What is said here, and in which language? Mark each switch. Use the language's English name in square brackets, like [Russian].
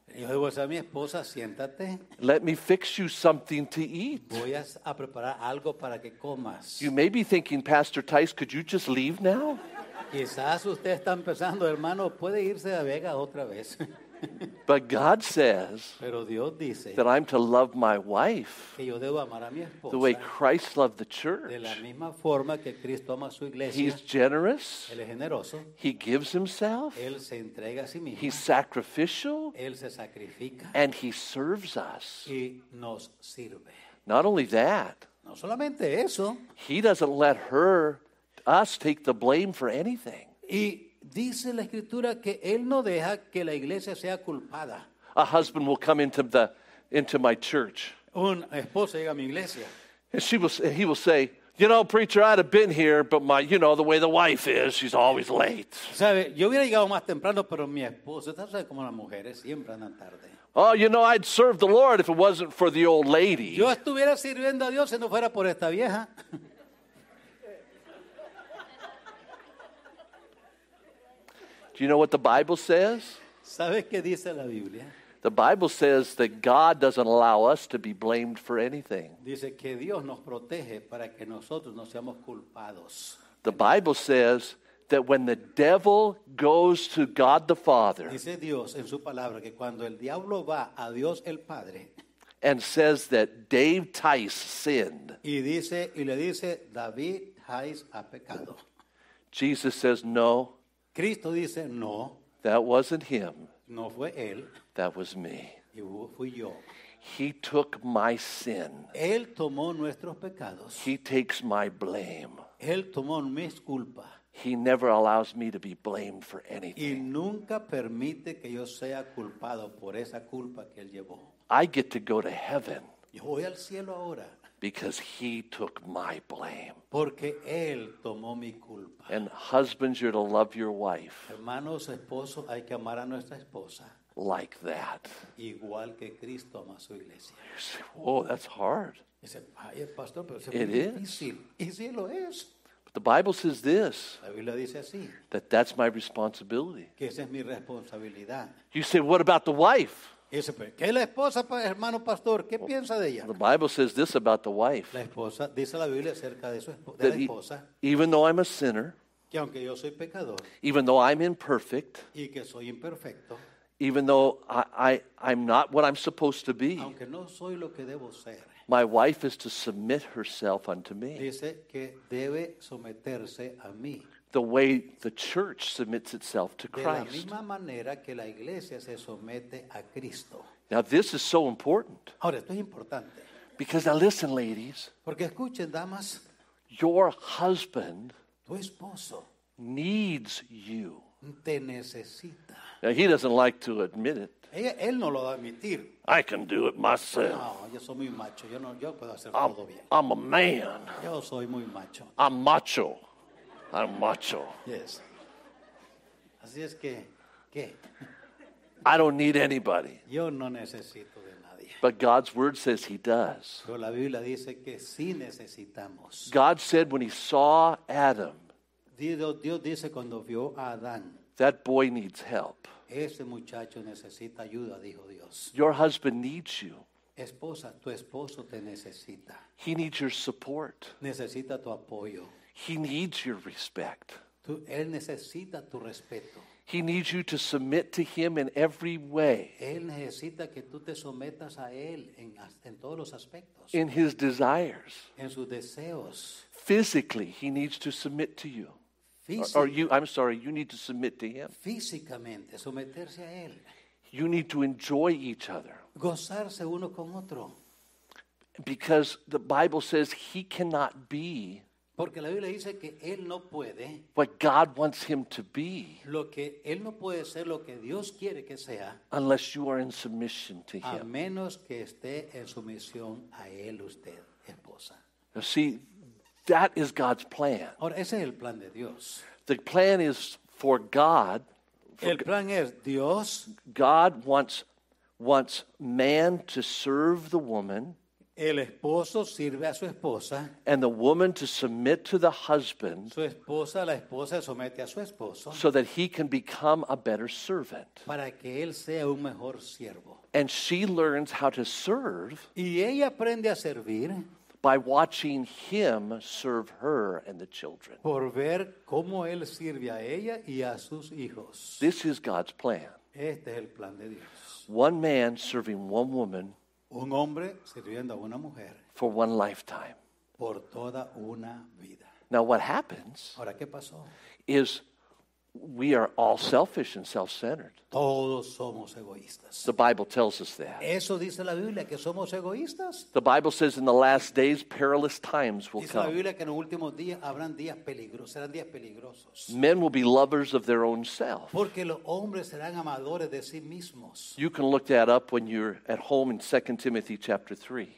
[Spanish] Yo le voy a decir a mi esposa, siéntate. [English] Let me fix you something to eat." [Spanish] Voy a preparar algo para que comas. [English] You may be thinking, "Pastor Tice, could you just leave now?" [Spanish] Quizás usted está pensando, hermano, puede irse a Vegas otra vez. [English] But God says, [Spanish] pero Dios dice, [English] that I'm to love my wife, [Spanish] que yo debo amar a mi esposa, [English] the way Christ loved the church. [Spanish] De la misma forma que Cristo ama su iglesia. [English] He's generous. [Spanish] Él es generoso. [English] He gives himself. [Spanish] Él se entrega a sí mismo. [English] He's sacrificial. [Spanish] Él se sacrifica. [English] And he serves us. [Spanish] Y nos sirve. [English] Not only that, [Spanish] no solamente eso, [English] he doesn't let us take the blame for anything. [Spanish] Y dice la escritura que él no deja que la iglesia sea culpada. [English] A husband will come into my church. [Spanish] Un esposo llega a mi iglesia. [English] And he will say, "You know, preacher, I'd have been here, but the way the wife is, she's always late." [Spanish] Sabe, yo hubiera llegado más temprano, pero mi esposa, ¿tú sabes cómo las mujeres siempre andan tarde? [English] "Oh, you know, I'd serve the Lord if it wasn't for the old lady." [Spanish] Yo estuviera sirviendo a Dios si no fuera por esta vieja. [English] Do you know what the Bible says? [Spanish] ¿Sabes qué dice la Biblia? [English] The Bible says that God doesn't allow us to be blamed for anything. [Spanish] Dice que Dios nos protege para que nosotros no seamos culpados. [English] The Bible says that when the devil goes to God the Father, [Spanish] dice Dios en su palabra que cuando el diablo va a Dios el Padre, [English] and says that Dave Tice sinned, [Spanish] y le dice David Tice ha pecado, [English] Jesus says no. [Spanish] Cristo dice, no, [English] that wasn't him. [Spanish] No fue él. [English] That was me. [Spanish] Y fui yo. [English] He took my sin. [Spanish] Él tomó nuestros pecados. [English] He takes my blame. [Spanish] Él tomó mis culpa. [English] He never allows me to be blamed for anything. [Spanish] Y nunca permite que yo sea culpado por esa culpa que él llevó. [English] I get to go to heaven. [Spanish] Yo voy al cielo ahora. [English] Because he took my blame. [Spanish] Porque él tomó mi culpa. [English] And husbands, you're to love your wife. [Spanish] Hermanos, esposos, hay que amar a nuestra esposa. [English] Like that. [Spanish] Igual que Cristo ama su iglesia. [English] You say, "Whoa, that's hard." It is. [Spanish] Y sí lo es. [English] But the Bible says this. [Spanish] La Biblia dice así. [English] That's my responsibility. [Spanish] Que esa es mi responsabilidad. [English] You say, "What about the wife?" [Spanish] ¿Qué es la esposa, hermano pastor? ¿Qué piensa de ella? [English] The Bible says this about the wife. [Spanish] La esposa, dice la Biblia acerca de su esposa. [English] That even though I'm a sinner, [Spanish] que aunque yo soy pecador, [English] even though I'm imperfect, [Spanish] y que soy imperfecto, [English] even though I'm not what I'm supposed to be, [Spanish] aunque no soy lo que debo ser, [English] my wife is to submit herself unto me. [Spanish] Dice que debe someterse a mí. [English] The way the church submits itself to Christ. [Spanish] De la misma manera que la iglesia se somete a Cristo. [English] Now this is so important. [Spanish] Ahora, esto es importante. [English] Because now listen, ladies. [Spanish] Porque escuchen, damas. [English] Your husband, [Spanish] tu esposo, [English] needs you. [Spanish] Te necesita. [English] Now, he doesn't like to admit it. [Spanish] Él no lo va a admitir. [English] I can do it myself. [Spanish] No, yo soy muy macho. Yo puedo hacer todo bien. [English] I'm a man. [Spanish] Yo soy muy macho. [English] I'm macho. I'm macho. Yes. [Spanish] Así es que, ¿qué? [English] I don't need anybody. [Spanish] Yo no necesito de nadie. [English] But God's word says he does. [Spanish] Pero la Biblia dice que sí necesitamos. [English] God said when he saw Adam, [Spanish] Dios dice cuando vio a Adán, [English] that boy needs help. [Spanish] Ese muchacho necesita ayuda, dijo Dios. [English] Your husband needs you. [Spanish] Esposa, tu esposo te necesita. [English] He needs your support. [Spanish] Necesita tu apoyo. [English] He needs your respect. [Spanish] Él necesita tu respeto. [English] He needs you to submit to him in every way. [Spanish] Él necesita que tú te sometas a él en todos los aspectos. [English] In his desires. [Spanish] En sus deseos. [English] Physically, he needs to submit to you. You need to submit to him. [Spanish] Físicamente, someterse a él. [English] You need to enjoy each other. [Spanish] Gozarse uno con otro. [English] Because the Bible says he cannot be. [Spanish] Porque la Biblia dice que él no puede. [English] What God wants him to be. [Spanish] Lo que él no puede ser, lo que Dios quiere que sea. [English] Unless you are in submission to him. [Spanish] A menos que esté en sumisión a él usted, esposa. [English] You see, that is God's plan. [Spanish] Ahora, ese es el plan de Dios. [English] The plan is for God. [Spanish] El plan es Dios. [English] God wants man to serve the woman. [Spanish] El esposo sirve a su esposa. [English] And the woman to submit to the husband. [Spanish] Su esposa, la esposa somete a su esposo. [English] So that he can become a better servant. [Spanish] Para que él sea un mejor siervo. [English] And she learns how to serve. [Spanish] Y ella aprende a servir. [English] By watching him serve her and the children. [Spanish] Por ver cómo él sirve a ella y a sus hijos. [English] This is God's plan. [Spanish] Este es el plan de Dios. [English] One man serving one woman. [Spanish] Un hombre sirviendo a una mujer. [English] For one lifetime. [Spanish] Por toda una vida. [English] Now what happens. [Spanish] Ahora, ¿qué pasó? [English] Is we are all selfish and self-centered. [Spanish] Todos somos egoístas. [English] The Bible tells us that. [Spanish] Eso dice la Biblia, que somos egoístas. [English] The Bible says in the last days perilous times will [Spanish] dice [English] come. [Spanish] Dice la Biblia que en los últimos días habrán días peligrosos, serán días peligrosos. [English] Men will be lovers of their own self. [Spanish] Porque los hombres serán amadores de sí mismos. [English] You can look that up when you're at home in 2 Timothy chapter 3.